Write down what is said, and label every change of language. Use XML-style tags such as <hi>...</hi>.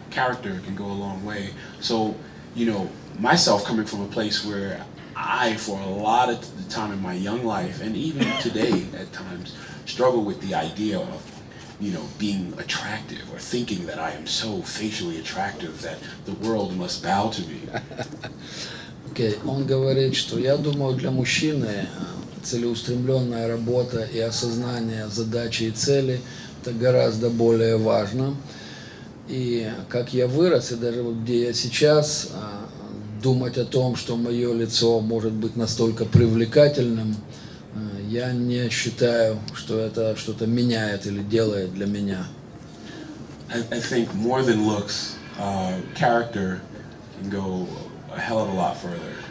<en>Character can go a long way. So, you know, myself coming from a place where I, for a lot of the time in my young life, and even today at times, struggle with the idea of, you know, being attractive or thinking that I am so facially attractive that the world must bow to me.</en> <ru>Okay, он говорит, что я думаю, для мужчины целеустремленная работа и осознание задачи и цели это гораздо более важно. И как я вырос, и даже вот где я сейчас, думать о том, что мое лицо может быть настолько привлекательным, я не считаю, что это что-то меняет или делает для меня.</ru> <en>I think more than looks, character can go a hell of a lot further.</en>